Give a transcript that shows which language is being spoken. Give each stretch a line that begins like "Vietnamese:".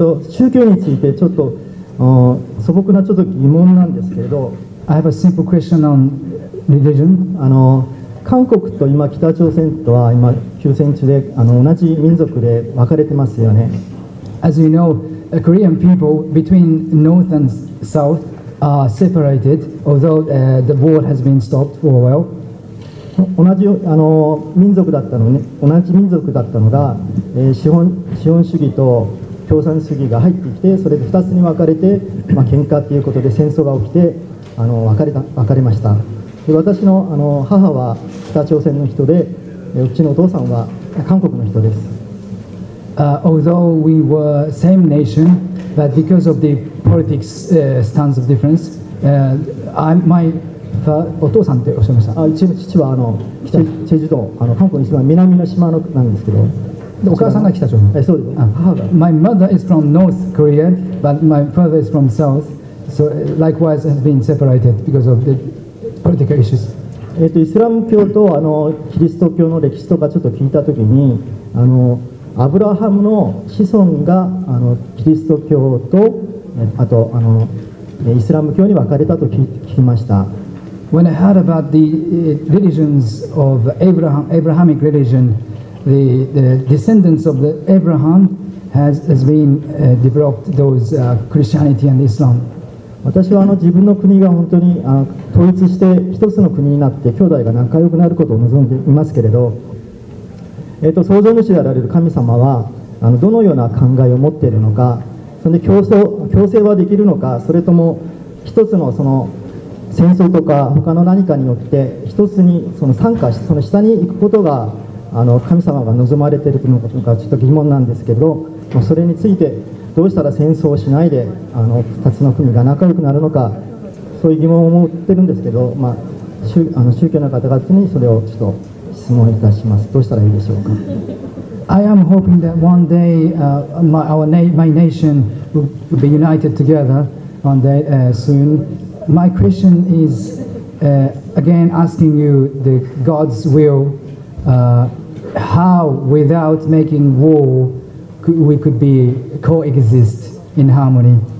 Japanese: 宗教についてちょっと素朴なちょっと疑問なんですけれど、
English: I have a simple question on religion.
Japanese: 韓国と今北朝鮮とは今休戦中で同じ民族で分かれてますよね。
English: As you know, the Korean people between North and South are separated, although the war has been stopped for a while.
Japanese: 同じ民族だったのね、同じ民族だったのが、資本主義と共産主義が入ってきて、それで2つに分かれて、まあ、喧嘩ということで戦争が起きて分かれました。で私 の, 母は北朝鮮の人で、うちのお父さんは韓国の人です。
English: Although we were same nation, but because of the politics stands of difference, my
Japanese: お父さんっておっしゃいました。うちの父は北チェジュ島、韓国の一番南の島のなんですけど、お母さんが北朝鮮。そうです。母が。
English: My mother is from North Korea, but my father is from South, so likewise has been separated because of the political issues.
Japanese: イスラム教とキリスト教の歴史とかちょっと聞いたときに、アブラハムの子孫がキリスト教とあとイスラム教に分かれたと聞きました。
English: When I heard about the religions of Abrahamic religion, the descendants of the Abraham has been developed those Christianity and Islam.
Japanese: 私は自分の国が本当に統一して一つの国になって兄弟が仲良くなることを望んでいますけれど、創造主であられる神様はどのような考えを持っているのか、それで強制はできるのか、それとも一つのその戦争とか他の何かによって一つにその参加しその下に行くことが神様が望まれているのかちょっと疑問なんですけど、それについてどうしたら戦争をしないで二つの国が仲良くなるのか、そういう疑問を持ってるんですけど、まあ、宗教の方々にそれをちょっと質問いたします。どうしたらいいでしょうか。
English: I am hoping that one day my nation will be united together one day soonMy question is again asking you the God's will. How, without making war, we could be coexist in harmony?